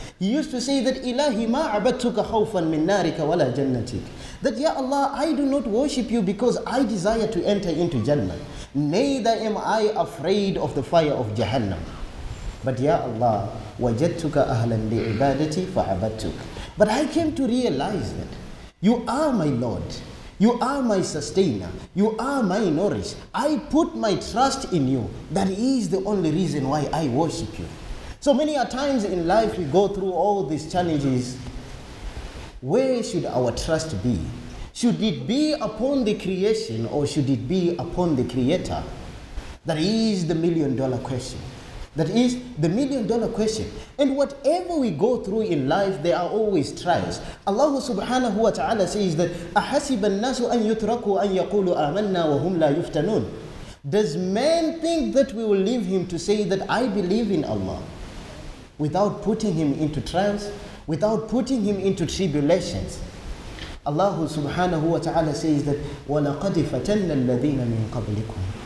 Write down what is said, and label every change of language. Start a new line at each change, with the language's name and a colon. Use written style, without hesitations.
English: He used to say that,
Arabic: إِلَهِ مَا عَبَدْتُكَ خَوْفًا مِن نَارِكَ وَلَا جَنَّتِكَ.
English: That, ya Allah, I do not worship you because I desire to enter into Jannah. Neither am I afraid of the fire of Jahannam. But
Arabic: ya Allah, wajadtuka ahlan li'ibadati fa'abadtuk.
English: But I came to realize that you are my Lord. You are my sustainer. You are my nourish. I put my trust in you. That is the only reason why I worship you. So many a times in life we go through all these challenges. Where should our trust be? Should it be upon the creation or should it be upon the creator? That is the million-dollar question. That is the million-dollar question. And whatever we go through in life, there are always trials. Allah subhanahu wa ta'ala says that,
Arabic: أَحَسِبَ النَّاسُ أَن يُتْرَكُوا أَن يَقُولُوا آمَنَّا وَهُمْ لَا يُفْتَنُونَ.
English: Does man think that we will leave him to say that I believe in Allah without putting him into trials, without putting him into tribulations? Allah subhanahu wa ta'ala says that
Arabic: وَلَقَدْ فَتَنَّ الَّذِينَ مِنْ قَبْلِكُمْ.